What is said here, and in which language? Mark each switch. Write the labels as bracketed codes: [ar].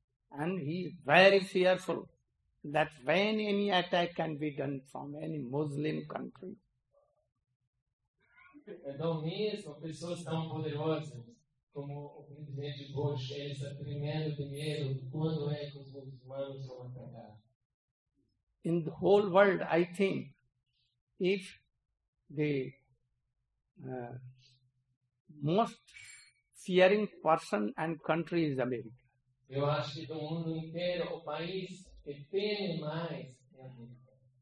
[en] And he is very fearful that when any attack can be done from any Muslim country. [pt] Então mesmo pessoas tão poderosas como o presidente Bush, ele está tremendo de medo quando é que os muçulmanos vão atacar. [en] In the whole world, I think, if the most fearing person and country is America. [pt] Eu acho que do mundo inteiro, o país que tem mais é a América.